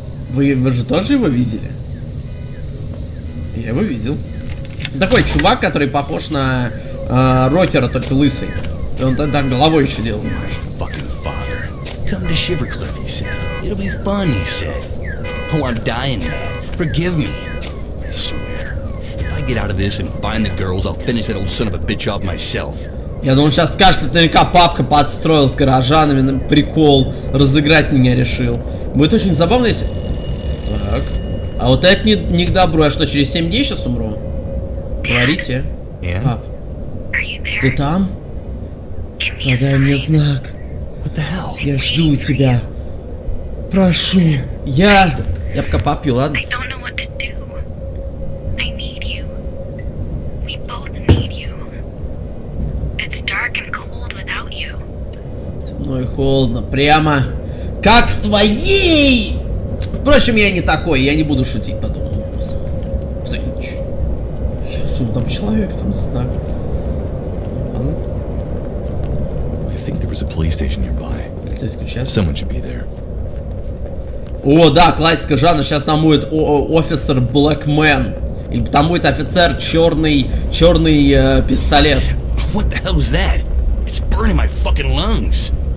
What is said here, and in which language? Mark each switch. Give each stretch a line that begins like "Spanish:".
Russian: Вы же тоже его видели? Я его видел. Такой чувак, который похож на рокера, только лысый. И он тогда головой еще делал.
English: Fucking father. Come to Shivercliff, he said. It'll be fun, he said. Oh, I'm dying, man. Forgive me. I swear. If I get out of this and find the girls, I'll finish that old son of a bitch off myself.
Russian: Я думаю, сейчас скажет, что наверняка папка подстроил с горожанами. Прикол. Разыграть меня решил. Будет очень забавно, если... Так. А вот это не к добру. Я что, через 7 дней сейчас умру? Говорите. Yeah. Пап. Ты там? Подай мне знак. Я жду тебя. Прошу. Я пока попью, ладно? Темно и холодно. Прямо как в твоей... Впрочем, я не такой, я не буду шутить подобным образом. Зай, ничего. Я сум, там человек, там знак.
English: I think there was a police station nearby.
Russian: Полицейский участок.
English: Someone should be there.
Russian: О, да, классика жанра, сейчас там будет офицер Black Man. Или там будет офицер черный пистолет.
English: What the hell was that? It's burning my fucking lungs.